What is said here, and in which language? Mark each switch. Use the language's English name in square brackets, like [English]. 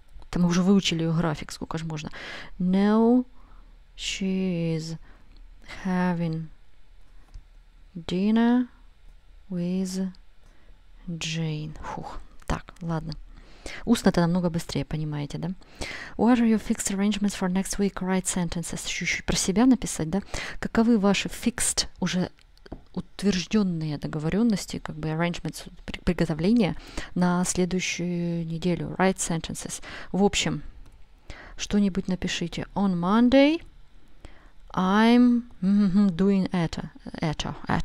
[Russian] Там мы уже выучили ее график, сколько же можно. [English] No, she is having dinner with Jane. [Russian] Фух, так, ладно. Устно-то намного быстрее, понимаете, да? [English] What are your fixed arrangements for next week? Write sentences. [Russian] Чуть-чуть про себя написать, да? Каковы ваши fixed, уже утвержденные договоренности, как бы arrangements, приготовления на следующую неделю? [English] Write sentences. [Russian] В общем, что-нибудь напишите. [English] On Monday I'm doing это.